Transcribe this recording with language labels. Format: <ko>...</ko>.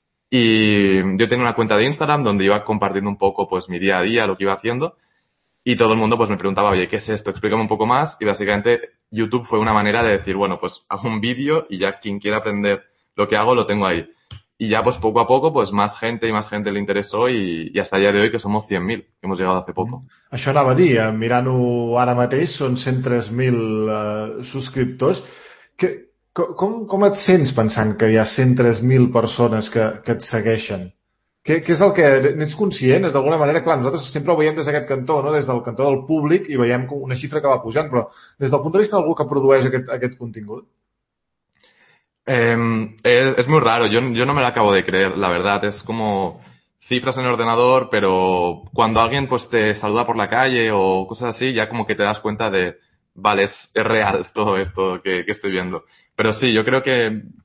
<es>Y yo tenía una cuenta de Instagram donde iba compartiendo un poco pues mi día a día, lo que iba haciendo. Y todo el mundo pues me preguntaba, oye, ¿qué es esto? Explícame un poco más. Y básicamente YouTube fue una manera de decir, bueno, pues hago un vídeo y ya quien quiera aprender lo que hago lo tengo ahí. Y ya, pues, poco a poco, pues, más gente y más gente le interesó y hasta el día de hoy que somos 100.000, que hemos llegado hace poco.</es> <ca>Això anava a dir, mirant-ho ara mateix, són 103.000 subscriptors. Com et sents pensant que hi ha 103.000 persones que et segueixen? Què és el que... N'ets conscient? D'alguna manera, clar, nosaltres sempre ho veiem des d'aquest cantó, no? Des del cantó del públic i veiem una xifra que va pujant, però des del punt de vista d'algú que produeix aquest contingut?</ca> <es>Es muy raro, yo no me lo acabo de creer, la verdad, es como cifras en el ordenador, pero cuando alguien pues te saluda por la calle o cosas así, ya como que te das cuenta de, vale, es real todo esto que estoy viendo. Pero sí, yo creo que</es>